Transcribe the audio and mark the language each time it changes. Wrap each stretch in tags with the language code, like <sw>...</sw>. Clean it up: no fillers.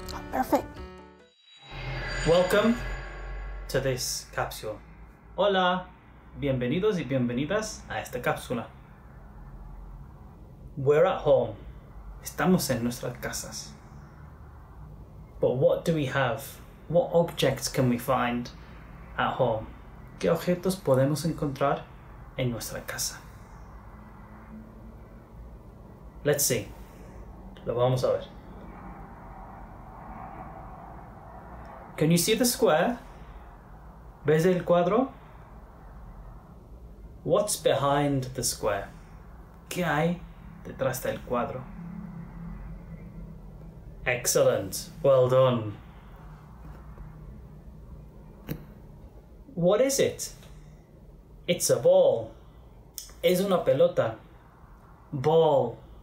<es>Perfecto.</es> <en>Welcome to this capsule.</en> <es>Hola, bienvenidos y bienvenidas a esta cápsula.</es> <en>We're at home.</en> <es>Estamos en nuestras casas.</es> <en>But what do we have? What objects can we find at home?</en> <es>¿Qué objetos podemos encontrar en nuestra casa?</es> <en>Let's see.</en> <es>Lo vamos a ver.</es> <en>Can you see the square?</en> <es>¿Ves el cuadro?</es> <en>What's behind the square?</en> <es>¿Qué hay detrás del cuadro?</es> <en>Excellent. Well done. What is it? It's a ball.</en> <es>Es una pelota.</es> <en>Ball.</en>